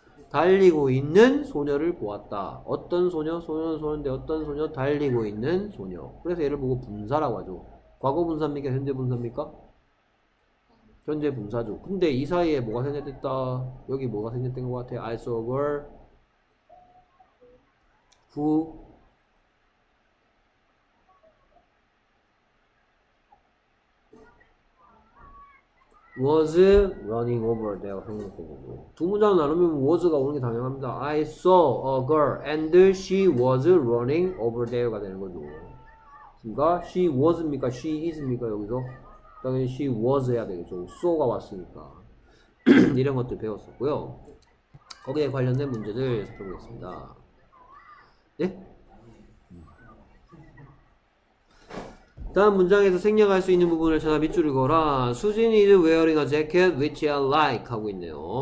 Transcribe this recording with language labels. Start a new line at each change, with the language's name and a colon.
Korean: 달리고 있는 소녀를 보았다. 어떤 소녀? 소녀는 소녀인데 어떤 소녀? 달리고 있는 소녀. 그래서 얘를 보고 분사라고 하죠. 과거 분사입니까? 현재 분사입니까? 현재 분사죠. 근데 이 사이에 뭐가 생략됐다? 여기 뭐가 생략된 것 같아?
English: I saw a girl who was running over there.
Korean: 두 문장 나누면 was가 오는 게 당연합니다.
English: I saw a girl and she was running over there가
Korean: 되는 거죠. 그러니까 she was입니까? she is입니까? 여기서 당연히 she was 해야 되겠죠. so가 왔으니까. 이런 것들 배웠었고요. 거기에 관련된 문제들 살펴보겠습니다. 네? 다음 문장에서 생략할 수 있는 부분을 찾아 밑줄을 그어라.
English: Susan is wearing a jacket which I like
Korean: 하고 있네요.